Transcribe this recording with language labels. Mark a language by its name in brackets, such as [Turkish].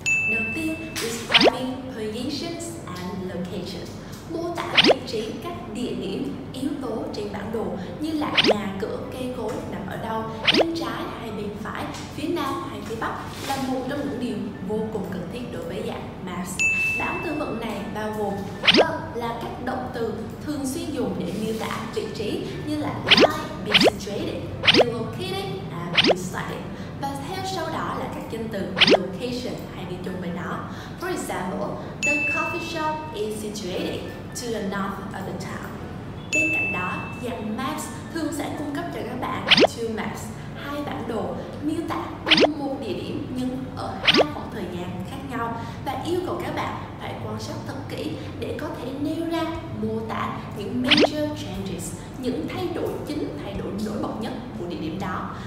[Vietnamese] Đầu tiên, [English] describing positions and locations, [Vietnamese] mô tả vị trí các địa điểm, yếu tố trên bản đồ như là nhà cửa, cây cối nằm ở đâu, bên trái hay bên phải, phía nam hay phía bắc là một trong những điều vô cùng cần thiết đối với dạng maths. Bản từ vựng này bao gồm đâu là các động từ thường xuyên dùng để miêu tả vị trí như là be situated, be located, be sighted. Và theo sau đó là các danh từ location hay đi chung với nó. [English] For example, the coffee shop is situated to the north of the town. [Vietnamese] Bên cạnh đó, dạng maps thường sẽ cung cấp cho các bạn [English] two maps, [Vietnamese] hai bản đồ miêu tả cùng một địa điểm nhưng ở hai khoảng thời gian khác nhau và yêu cầu các bạn phải quan sát thật kỹ để có thể nêu ra mô tả những [English] major changes, [Vietnamese] những thay đổi chính, thay đổi nổi bật nhất của địa điểm đó.